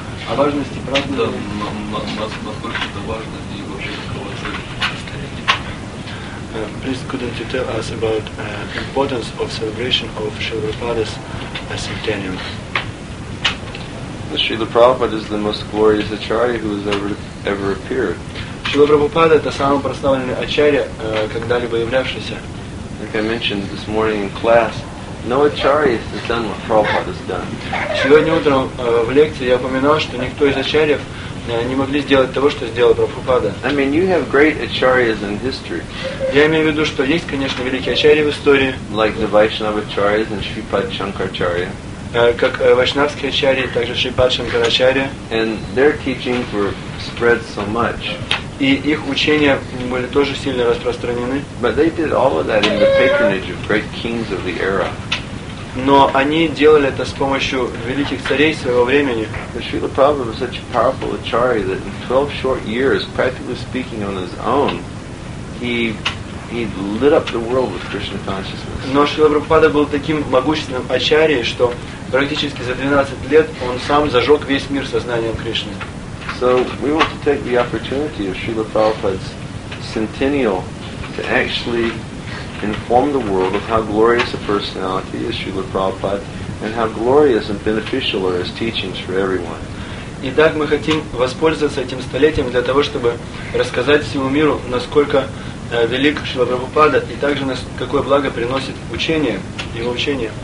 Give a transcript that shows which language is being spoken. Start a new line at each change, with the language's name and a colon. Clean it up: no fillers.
Russian: О важности праздновать? Да, насколько это важно и вообще какова цель.
English: Please, couldn't you tell us about importance of celebration of Srila Prabhupada's centennial? Srila Prabhupada is the most glorious acharya who has ever appeared.
Russian: Srila Prabhupada – это самый прославленный ачарья, когда-либо являвшийся.
English: Like I mentioned this morning in class, no acharya has done what Prabhupada has done.
Russian: Сегодня утром в лекции я упоминал, что никто из ачарьев не могли сделать того, что сделал Прабхупада.
English: I mean, you have great acharyas in history.
Russian: Я имею в виду, что есть, конечно, великие ачарьи в истории.
English: Like the Vaishnava acharyas and Shripad Shankaracharya.
Russian: Как вайшнавские ачарьи, также Шрипад Шанкарачарья.
English: And their teachings were spread so much.
Russian: И их учения были тоже сильно распространены.
English: But they did all of that in the patronage of great kings of the era.
Russian: Но они делали это с помощью великих царей своего времени.
English: Шрила Прабхупада was such a powerful acharya that in 12 short years, practically speaking on his own, he lit up the world with Krishna consciousness.
Russian: Но Шрила Прабхупада был таким могущественным ачарьей, что практически за 12 лет он сам зажег весь мир сознанием Кришны.
English: So we want to take the opportunity of Srila Prabhupada's centennial to actually inform the world of how glorious a personality is Srila Prabhupada and how glorious and beneficial are his teachings for everyone.
Russian: Итак, мы хотим воспользоваться этим столетием для того, чтобы рассказать всему миру, насколько велик Шрила Прабхупада и также какое благо приносит учение, его учение.